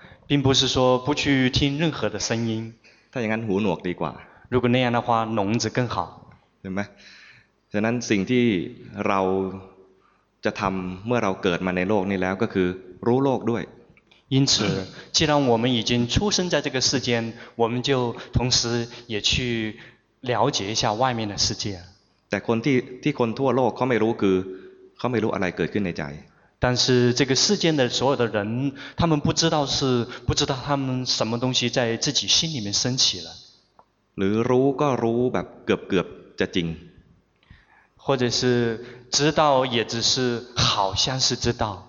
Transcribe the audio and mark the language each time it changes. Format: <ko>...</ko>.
<zh>并不是说不去听任何的声音。</zh> <th>ถ้าอย่างนั้นหูหนวกดีกว่า。</th> <zh>如果那样的话聋子更好。</zh> <th>เห็นไหมฉะนั้นสิ่งที่เราจะทำเมื่อเราเกิดมาในโลกนี้แล้วก็คือรู้โลกด้วย</th> <zh>因此既然我们已经出生在这个世间我们就同时也去了解一下外面的世界</zh> <th>แต่คนที่คนทั่วโลกเขาไม่รู้คือเขาไม่รู้อะไรเกิดขึ้นในใจ</th> <zh>但是这个世间的所有的人他们不知道是不知道他们什么东西在自己心里面升起了</zh> <th>หรือรู้ก็รู้แบบเกือบจะจริง</th> <zh>或者是知道也只是好像是知道</zh>